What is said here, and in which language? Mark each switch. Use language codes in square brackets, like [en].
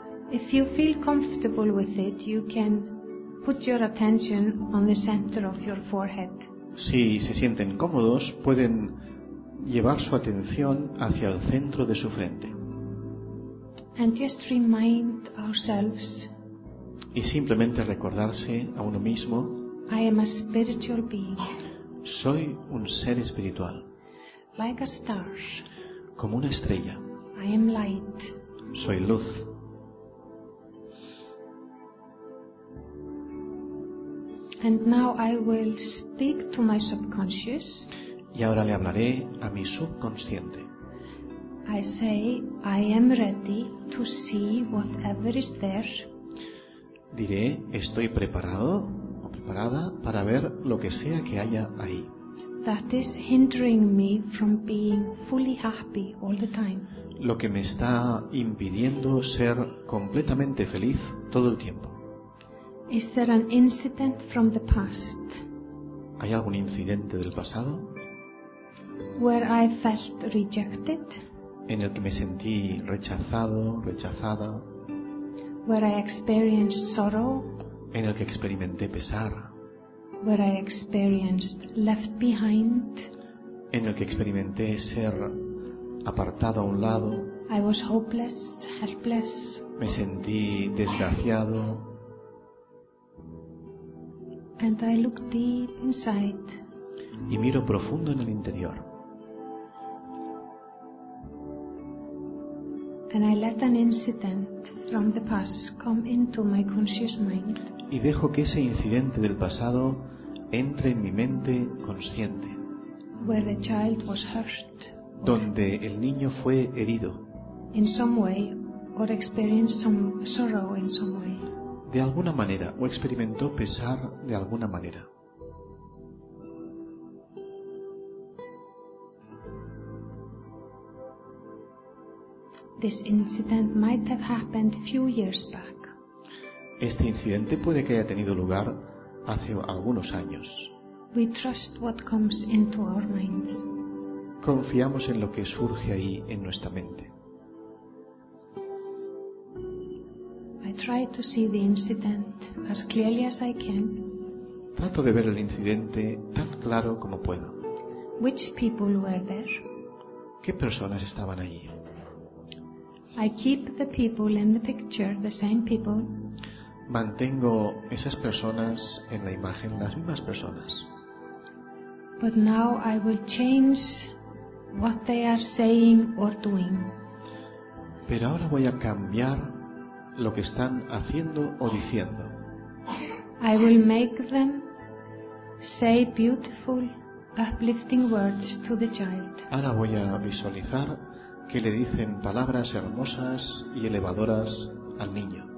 [en] If you feel comfortable with it, you can put your attention on the center of your forehead. [es] Si se sienten cómodos, pueden llevar su atención hacia el centro de su frente. [en] And just remind ourselves, [es] y simplemente recordarse a uno mismo, [en] I am a spiritual being. [es] Soy un ser espiritual. [en] Like a star, [es] como una estrella. [en] I am light. [es] Soy luz. [en] And now I will speak to my subconscious. [es] Y ahora le hablaré a mi subconsciente. [en] I say, I am ready to see whatever is there. [es] Diré, estoy preparado o preparada para ver lo que sea que haya ahí. [en] That is hindering me from being fully happy all the time. [es] Lo que me está impidiendo ser completamente feliz todo el tiempo. [en] Is there an incident from the past? [es] ¿Hay algún incidente del pasado? [en] Where I felt rejected? [es] En el que me sentí rechazado, rechazada. [en] Where I experienced sorrow? [es] En el que experimenté pesar. [en] Where I experienced left behind? [es] En el que experimenté ser apartado a un lado. [en] I was hopeless, helpless. [es] Me sentí desgraciado. [en] And I look deep inside. [es] Y miro profundo en el interior. [en] And I let an incident from the past come into my conscious mind. [es] Y dejo que ese incidente del pasado entre en mi mente consciente. [en] Where the child was hurt. [es] Donde el niño fue herido. [en] In some way, or experienced some sorrow in some way. [es] De alguna manera, o experimentó pesar de alguna manera. [en] This incident might have happened few years back. [es] Este incidente puede que haya tenido lugar hace algunos años. [en] We trust what comes into our minds. [es] Confiamos en lo que surge ahí en nuestra mente. [en] I try to see the incident as clearly as I can. [es] Trato de ver el incidente tan claro como puedo. [en] Which people were there? [es] ¿Qué personas estaban allí? [en] I keep the people in the picture, the same people. [es] Mantengo esas personas en la imagen, las mismas personas. [en] But now I will change what they are saying or doing. [es] Pero ahora voy a cambiar lo que están haciendo o diciendo. [en] I will make them say beautiful, uplifting words to the child. [es] Ahora voy a visualizar que le dicen palabras hermosas y elevadoras al niño.